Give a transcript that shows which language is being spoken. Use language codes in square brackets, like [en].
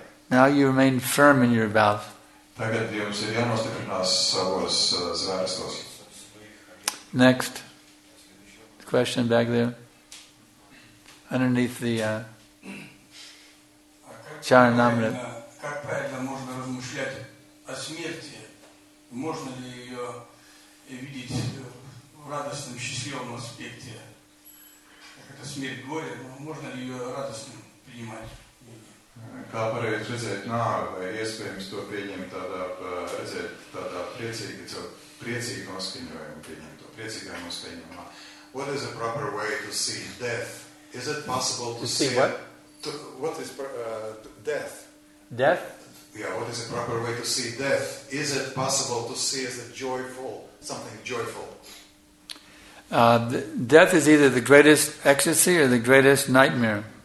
[en] Now you remain firm in your vows. [lv] Tagad jums ir jānostiprinās savos zvērestos. [en] Next question back there. Underneath the Charanamrit. [ru] Как правильно можно размышлять о смерти? Можно ли ее видеть в радостном, счастливом аспекте? Как это смерть горе, можно ли ее радостным принимать? [lv] Kā pareizi redzēt nāvi, vai iespējams to pieņemt tādā, redzēt tādā priecīgā noskaņojumā, pieņemt to priecīgā noskaņojumā. [en] What is a proper way to see death? Is it possible to see what? What is death? Death? Yeah, what is a proper way to see death? Is it possible to see as a joyful, something joyful? Death is either the greatest ecstasy or the greatest nightmare.